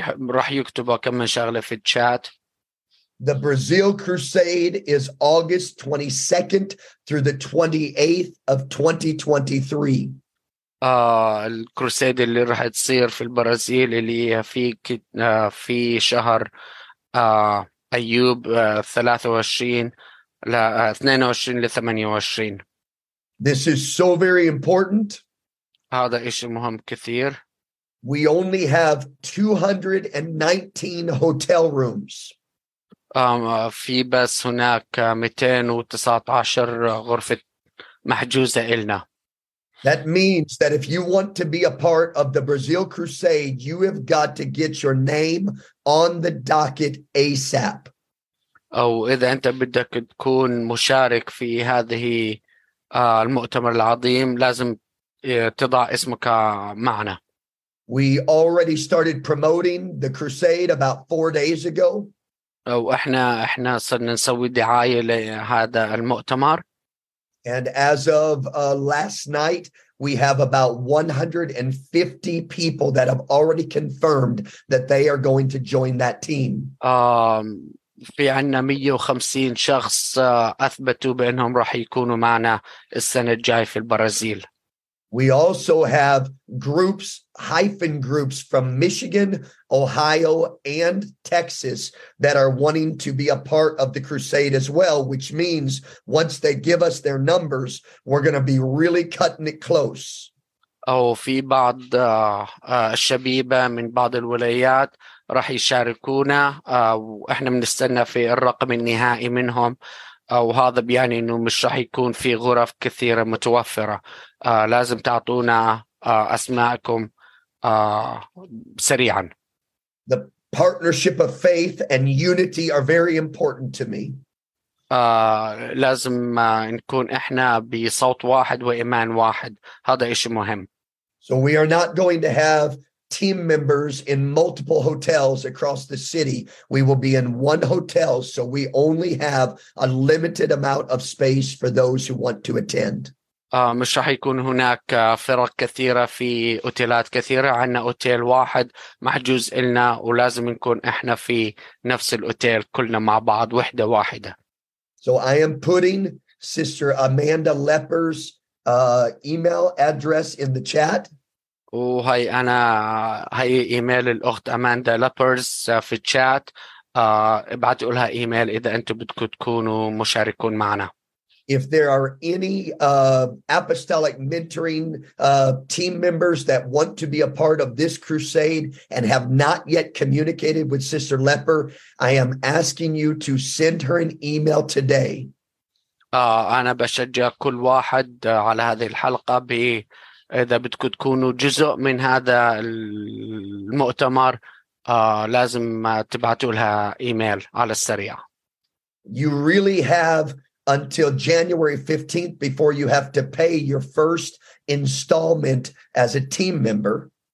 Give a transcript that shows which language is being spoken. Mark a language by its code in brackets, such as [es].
[ar] راح يكتبوا كم شغلة في الشات. [en] The Brazil Crusade is August 22nd through the 28th of 2023. [ar] الكروسيد اللي راح تصير في البرازيل اللي هي في شهر أيوب 22 ل 28. [en] This is so very important. [ar] هذا إشي مهم كثير. [en] We only have 219 hotel rooms. [ar] في بس هناك 219 غرفة محجوزة إلنا. [en] That means that if you want to be a part of the Brazil Crusade, you have got to get your name on the docket ASAP. [ar] أو إذا أنت بدك تكون مشارك في هذه المؤتمر العظيم لازم تضع اسمك معنا. [en] We already started promoting the crusade about 4 days ago. [ar] احنا صرنا نسوي دعاية لهذا المؤتمر. [en] And as of last night, we have about 150 people that have already confirmed that they are going to join that team. [ar] في عنا 150 شخص أثبتوا بأنهم راح يكونوا معنا السنة الجاية في البرازيل. [en] We also have groups, hyphen groups from Michigan, Ohio, and Texas that are wanting to be a part of the crusade as well, which means once they give us their numbers, we're going to be really cutting it close. [ar] أو في بعض الشبيبة من بعض الولايات راح يشاركونا وإحنا بنستنى في الرقم النهائي منهم وهذا بيعني إنه مش راح يكون في غرف كثيرة متوفرة لازم تعطونا أسماءكم سريعا. [en] The partnership of faith and unity are very important to me. [ar] لازم نكون إحنا بصوت واحد وإيمان واحد هذا إشي مهم. [en] So we are not going to have team members in multiple hotels across the city. We will be in one hotel, so we only have a limited amount of space for those who want to attend. [ar] مش راح يكون هناك فرق كثيرة في أوتيلات كثيرة. عنا أوتيل واحد محجوز إلنا ولازم نكون إحنا في نفس الأوتيل كلنا مع بعض وحدة واحدة. [en] So I am putting Sister Amanda Lepper's email address in the chat. [ar] وهي أنا هي إيميل الأخت أماندا لابرز في الشات. ابعتوا لها إيميل إذا أنتوا بدكم تكونوا مشاركون معنا. [en] If there are any apostolic mentoring team members that want to be a part of this crusade and have not yet communicated with Sister Lepper, I am asking you to send her an email today. [ar] أنا بشجع كل واحد على هذه الحلقة إذا بدكم تكونوا جزء من هذا المؤتمر لازم تبعتوا لها إيميل على السريع. [en] You really have until January 15th before you have to pay your first installment as a team member.